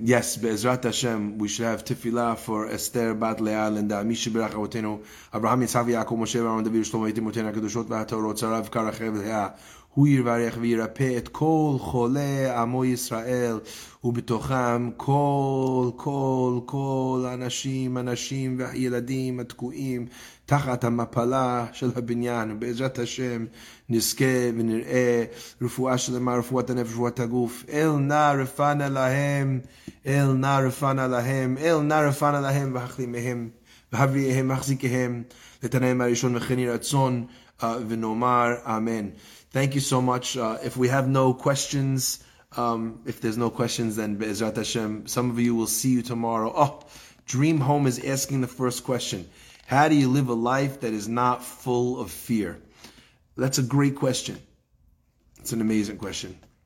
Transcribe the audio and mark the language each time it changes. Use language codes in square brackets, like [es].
[he] Yes, Be'ezrat Hashem, we should have tefillah for Esther, Bat Leah, Linda, Mishi Berach Avotenu, Abraham, Yitzhak, Yaakov, Moshe, Aaron, David, Shlomo, Yitim, Otenu, Kedushot, Vahatorot, Sarav, Karachev, Leah, Hu Yirvarech, Viyirapeh, Et Kol, Chole, Amo Yisrael, Ubitocham, Kol, Anashim, Yeladim, Atkuim, תחת המפלה של הבניין, בעזרת השם, נזכה ונראה רפואה שלמה, רפואת הנפש, רפואת הגוף. אל נא רפאנה להם, אל נא רפאנה להם, אל נא רפאנה להם, והחלימהם, והבריאיהם, והחזיקיהם, לתנאים הראשון וכן יהי רצון, ונאמר אמן. [en] Thank you so much. If we have no questions, if there's no questions, then בעזרת השם, some of you will see you tomorrow. Oh, Dream Home is asking the first question. How do you live a life that is not full of fear? That's a great question. It's an amazing question.